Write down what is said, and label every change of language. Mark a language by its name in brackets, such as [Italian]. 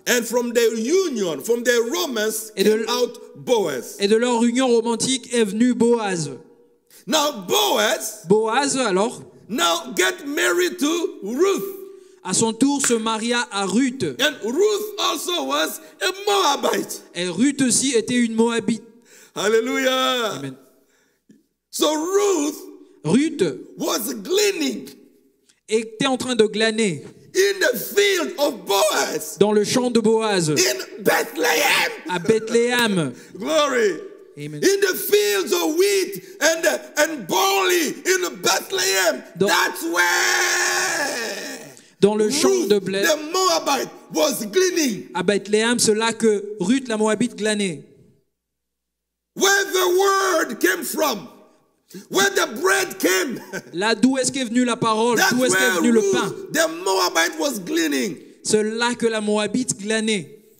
[English] And from their union, from their romance, out Boaz. [French] Et de leur union romantique est venu Boaz. [English] Now Boaz, [French] Boaz alors, [English] now get married to Ruth. [French] À son tour se maria à Ruth. [English] And Ruth also was a Moabite. [French] Et Ruth aussi était une Moabite. [English] Hallelujah. Amen. So Ruth, [French] Ruth [English] was gleaning, [French] était en train de glaner, [English] in the field of Boaz, [French] dans le champ de Boaz, [English] in Bethlehem, [French] à Bethlehem, [English] glory, amen, in the fields of wheat and barley in Bethlehem, that's where, [French] dans le champ de blé. [English] The Moabite was gleaning. [French] À Bethléem, c'est là que Ruth la Moabite glanait. [English] Where the word came from? Where the bread came? [French] Là d'où est-ce qu'est venue la parole? D'où est-ce qu'est venu le pain? [English] The Moabite was gleaning. [French] C'est là que la Moabite glanait.